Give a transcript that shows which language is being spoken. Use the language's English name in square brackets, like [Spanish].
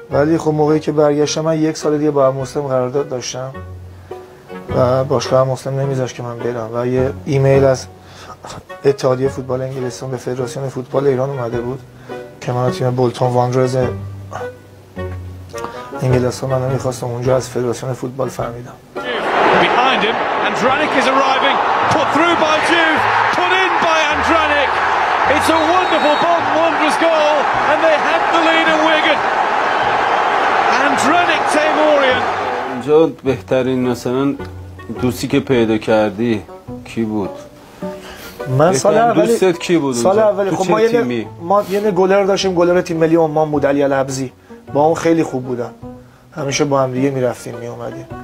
[Persian] ولی خب موقعی که برگشتم من یک سال دیگه با مسلم قرارداد داشتم و باشگاه مسلم نمیذاشت که من برم و یه ایمیل از اتحادیه فوتبال انگلستان به فدراسیون فوتبال ایران اومده بود که من تیم بولتون واندرز انگلستان منو میخواستم اونجا از فدراسیون فوتبال فهمیدم. [English] Behind him, Andranik is arriving, put through by Juve, put in by Andranik. It's a wonderful Bolton Wanderers goal, and they have the lead at Wigan. Andranik Tamorian. [Persian] اینجا بهترین مثلا دوستی که پیدا کردی کی بود؟ من سال اولی دوستت کی بود؟ سال اولی خب ما یه گلر داشتیم، گلر تیم ملی عمان بود، علی لبزی. با اون خیلی خوب بودم، همیشه با هم دیگه میرفتیم میومدیم.